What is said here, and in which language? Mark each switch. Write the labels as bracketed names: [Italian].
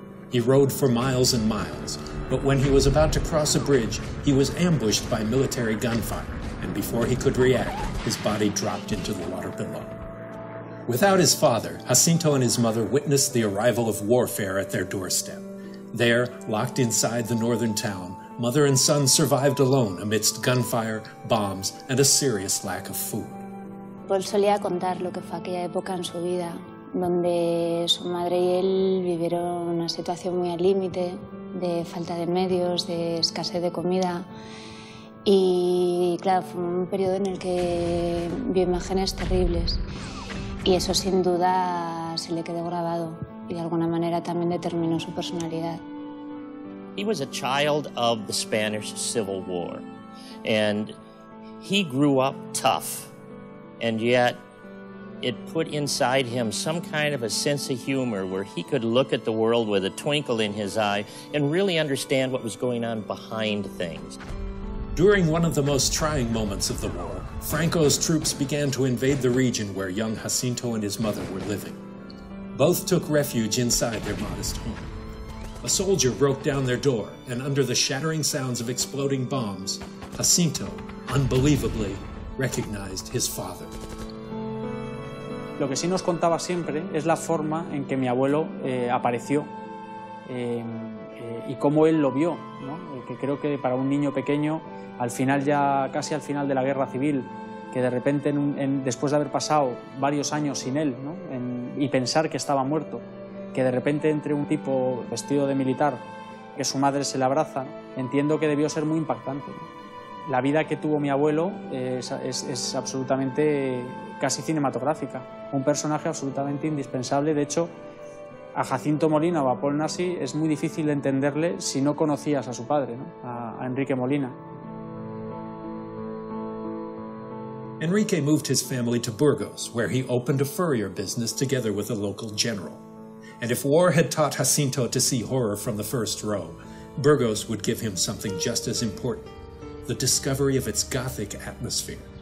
[English] He rode for miles and miles, but when he was about to cross a bridge, he was ambushed by military gunfire, and before he could react, his body dropped into the water below. Without his father, Jacinto and his mother witnessed the arrival of warfare at their doorstep. There, locked inside the northern town, mother and son survived alone amidst gunfire, bombs, and a serious lack of food. [Spanish] Paul solía contar lo que fue aquella época en su vida, donde su madre y él vivieron una situación muy al límite, de falta de medios, de escasez de comida. Y claro, fue un periodo en el que vio imágenes terribles. Y eso sin duda se le quedó grabado y de alguna manera también determinó su personalidad. [English] He was a child of the Spanish Civil War, and he grew up tough, and yet it put inside him some kind of a sense of humor where he could look at the world with a twinkle in his eye and really understand what was going on behind things. During one of the most trying moments of the war, Franco's troops began to invade the region where young Jacinto and his mother were living. Both took refuge inside their modest home. A soldier broke down their door, and under the shattering sounds of exploding bombs, Jacinto, unbelievably, recognized his father. [Spanish] Lo que sí nos contaba siempre es la forma en que mi abuelo apareció y cómo él lo vio, ¿no? Que creo que para un niño pequeño, al final ya casi al final de la guerra civil, que de repente después de haber pasado varios años sin él, ¿no? Y pensar que estaba muerto, que de repente entre un tipo vestido de militar, que su madre se le abraza, entiendo que debió ser muy impactante. La vida que tuvo mi abuelo es absolutamente casi cinematográfica, un personaje absolutamente indispensable. De hecho, a Jacinto Molina o a Paul Naschy es muy difícil entenderle si no conocías a su padre, ¿no? A Enrique Molina. [English] Enrique moved his family to Burgos, where he opened a furrier business together with a local general. And if war had taught Jacinto to see horror from the first row, Burgos would give him something just as important, the discovery of its Gothic atmosphere.